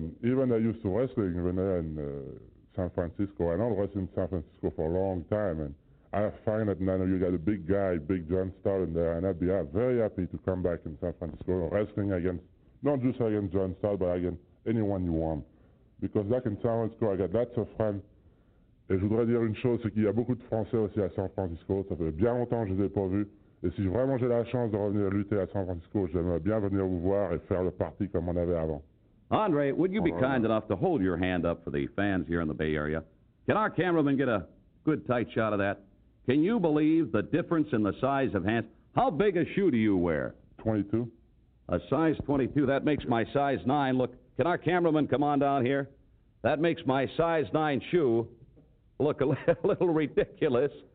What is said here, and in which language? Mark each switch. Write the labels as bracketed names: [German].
[English] And even I used to wrestle in San Francisco. I don't wrestle in San Francisco for a long time. And I find that now you got a big guy, Big John Studd in there. And I'd be very happy to come back in San Francisco wrestling against, not just against John Studd, but against anyone you want. Because back in San Francisco, I got lots of friends. [French] Et je voudrais dire une chose, c'est qu'il y a beaucoup de Français aussi à San Francisco. Ça fait bien longtemps que je ne les ai pas vus. Et si vraiment j'ai la chance de revenir lutter à San Francisco, j'aimerais bien venir vous voir et faire le party comme on avait avant. [English] Andre, would you be kind enough to hold your hand up for the fans here in the Bay Area? Can our cameraman get a good tight shot of that? Can you believe the difference in the size of hands? How big a shoe do you wear? 22. A size 22, that makes my size 9. Look, can our cameraman come on down here? That makes my size 9 shoe look a little ridiculous.